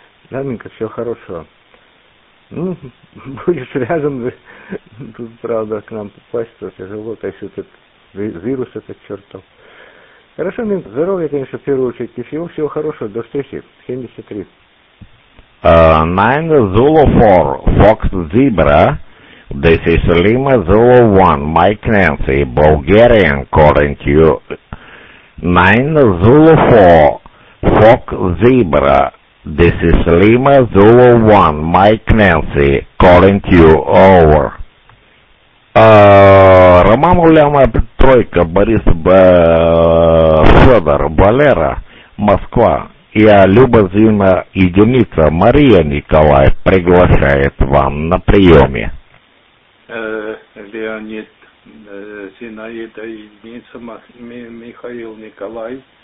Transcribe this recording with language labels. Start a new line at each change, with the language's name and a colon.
Russian: Да, Минка, всего хорошего. Ну, будешь рядом, тут, правда, к нам попасть, то тяжело, то есть этот вирус этот чертов. Хорошо, Минка, здоровья, конечно, в первую очередь, и всего, всего хорошего, до встречи, 73.
English: Nine Zulu 4, Fox Zebra. This is Lima Zulu 1, Mike Nancy, Bulgarian, calling to you. 9 Zulu 4, Fox Zebra. This is Lima Zulu 1, Mike Nancy, calling to you. Over.
Russian: Роман Ульяна Тройка, Борис Федор, Валера, Москва. Я Люба Зина Единица, Мария Николай приглашает вам на приеме. Леонид Зинаида Единица, Михаил Николай.